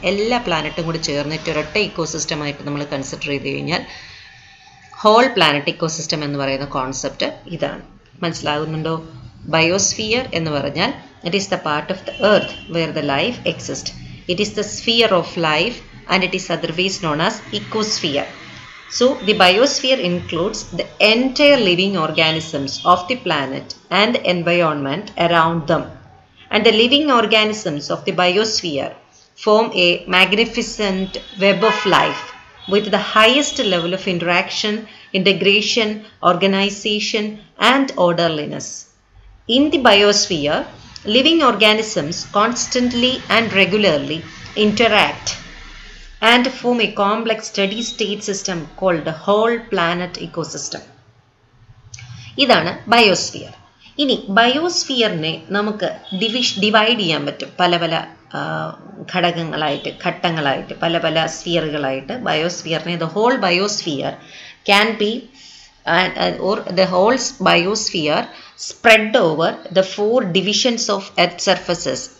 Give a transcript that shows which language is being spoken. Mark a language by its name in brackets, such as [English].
[Malayalam] എല്ലാ പ്ലാനറ്റും കൂടി ചേർന്നിട്ട് ഒരൊറ്റ ഇക്കോസിസ്റ്റമായിട്ട് നമ്മൾ കൺസിഡർ ചെയ്ത് കഴിഞ്ഞാൽ ഹോൾ പ്ലാനറ്റ് ഇക്കോസിസ്റ്റം എന്ന് പറയുന്ന കോൺസെപ്റ്റ് ഇതാണ്. മനസ്സിലാകുന്നുണ്ടോ? ബയോസ്ഫിയർ എന്ന് പറഞ്ഞാൽ [English] It is the part of the earth where the life exist. It is the sphere of life and it is otherwise known as ecosphere. So the biosphere includes the entire living organisms of the planet and the environment around them, and the living organisms of the biosphere form a magnificent web of life with the highest level of interaction, integration, organization and orderliness. In the biosphere, living organisms constantly and regularly interact and form a complex steady state system called the whole planet ecosystem. [Malayalam] ഇതാണ് biosphere. ഇനി ബയോസ്ഫിയറിനെ നമുക്ക് divide ചെയ്യാൻ പറ്റും പല പല ഘടകങ്ങളായിട്ട്, ഘട്ടങ്ങളായിട്ട്, പല പല സ്ഫിയറുകളായിട്ട് ബയോസ്ഫിയറിനെ, [English] The whole biosphere can be or the whole biosphere spread over the four divisions of earth surfaces.